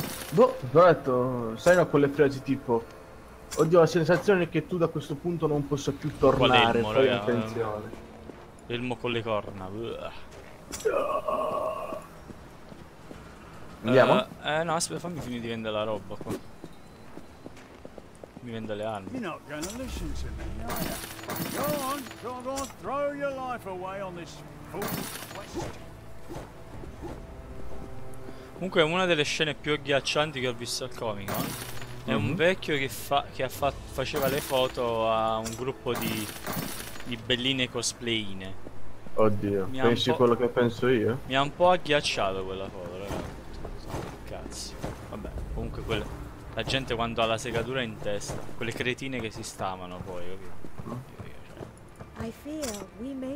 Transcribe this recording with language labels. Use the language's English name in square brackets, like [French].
[Italian] Boh, però ho detto, sai, no, quelle frasi tipo: oddio, la sensazione è che tu da questo punto non possa più tornare. Qual elmo, attenzione. Elmo con le corna. Andiamo? No, aspetta, fammi finire di vendere la roba qua. Mi vendo le armi. [English] You're not gonna listen to me, are you? Go on, jog on, throw your life away on this fool's quest. [Italian] Comunque, una delle scene più agghiaccianti che ho visto al Comic Con è un vecchio che faceva le foto a un gruppo di belline cosplayine. Oddio, mi pensi quello che penso io? Mi ha un po' agghiacciato quella foto, raga. Vabbè, comunque la gente quando ha la segatura in testa, quelle cretine che si stamano poi, cioè.